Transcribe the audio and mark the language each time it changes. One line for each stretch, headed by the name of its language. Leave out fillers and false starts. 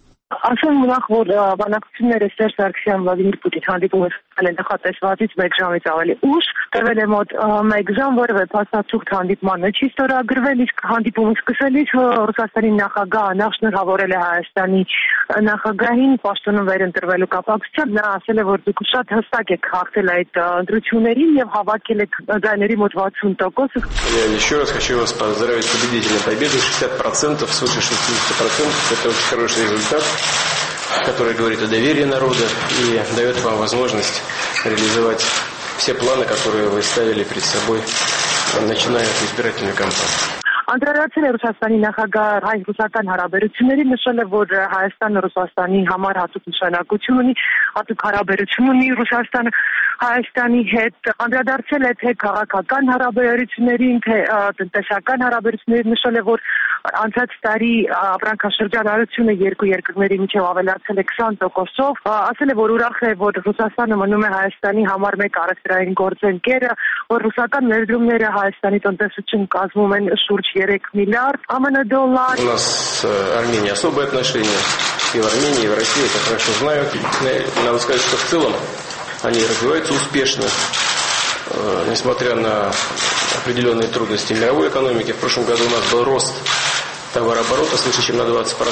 Armenian: Ասեմ նախ, որ բանակցությունները Սերժ Սարգսյան Վլադիմիր Պուտին հանդիպում է ընդ նախատեսվածից 1 ժամից ավելի ուշ, տվել է մոտ 1 ժամ, որևէ փաստացուկ հանդիպմանը չի ստորագրվել, իսկ հանդիպումը սկսելիս Ռուսաստանի նախագահը նախ շնորհավորել է Հայաստանի նախագահին պաշտոնում վերընտրվելու կապակցությամբ, նա ասել է, որ դուք շատ հստակ եք հաղթել այդ ընտրություններին և հավաքել եք ձայների մոտ 60%։
Russian: Я ещё раз хочу вас поздравить с победителем победы 60% свыше 60%, это очень хороший результат, который говорит о доверии народа и дает вам возможность реализовать все планы, которые вы ставили перед собой, начиная от избирательной кампании.
Armenian: Անդրադարձել է Ռուսաստանի նախագահ հայ-ռուսական հարաբերությունների, նշել է, որ Հայաստանը Ռուսաստանի համար հատուկ նշանակություն ունի, հատուկ հարաբերություն ունի Ռուսաստանը Հայաստանի հետ։ Անդրադարձել է թե քաղաքական հարաբերություններին, թե տնտեսական հարաբերություններին, նշել է, որ անցած տարի ապրանքաշրջանառությունը երկու երկրների միջև ավելացել է 20%, ասել է, որ ուրախ է, որ Ռուսաստանը մնում է Հայաստանի համար մեկ առևտրային գործընկերը, որ ռուսական ներդրումները Հայաստանի տնտեսություն կազմում են շուրջ 3 միլիարդ ԱՄՆ դոլար։
Russian: У нас Армения особые отношения и в Армении, и в России, это хорошо знаю. Надо сказать, что в целом они развиваются успешно. Несмотря на определенные трудности мировой экономики, в прошлом году у нас был рост товарооборота свыше, чем на 20%.